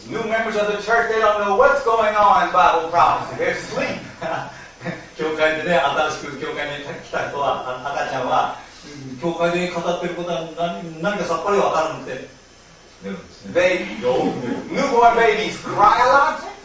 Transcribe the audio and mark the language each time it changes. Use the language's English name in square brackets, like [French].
[English] New members of the church, they don't know what's going on in Bible prophecy. They sleep. [Japanese] 教会でね、新しく教会に来た人は、赤ちゃんは教会で語ってることは 何かさっぱりわからんって。 [English] They newborn babies cry a lot.